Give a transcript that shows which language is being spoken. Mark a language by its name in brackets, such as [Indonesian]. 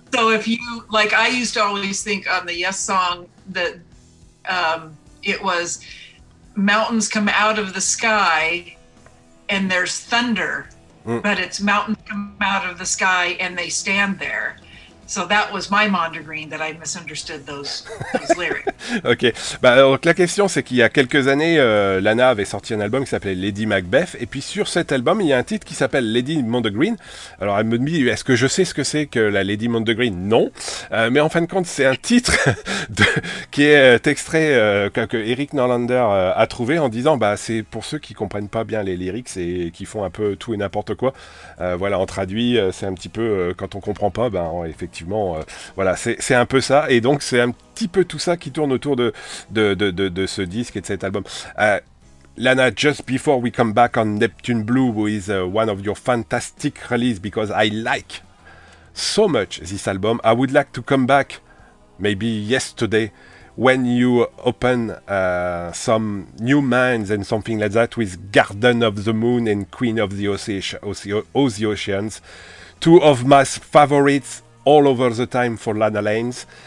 [English] So if you, like, I used to always think on the Yes song that it was mountains come out of the sky and there's thunder, but it's mountains come out of the sky and they stand there. So that was my Mondegreen that I misunderstood those lyrics. Ok. [French] Bah, donc la question, c'est qu'il y a quelques années, Lana avait sorti un album qui s'appelait Lady Macbeth. Et puis sur cet album, il y a un titre qui s'appelle Lady Mondegreen. Alors elle me dit, est-ce que je sais ce que c'est que la Lady Mondegreen ? Non. Mais en fin de compte, c'est un titre qui est extrait que Eric Norlander a trouvé en disant, bah, c'est pour ceux qui ne comprennent pas bien les lyrics et qui font un peu tout et n'importe quoi. Voilà, en traduit, c'est un petit peu quand on ne comprend pas, bah, on effectivement, voilà, c'est un peu ça, et donc c'est un petit peu tout ça qui tourne autour de ce disque et de cet album. [English] Lana, just before we come back on Neptune Blue, who is one of your fantastic releases, because I like so much this album, I would like to come back, maybe yesterday, when you open some new minds and something like that with Garden of the Moon and Queen of the Oceans, two of my favorites all over the time for Lana Lanes.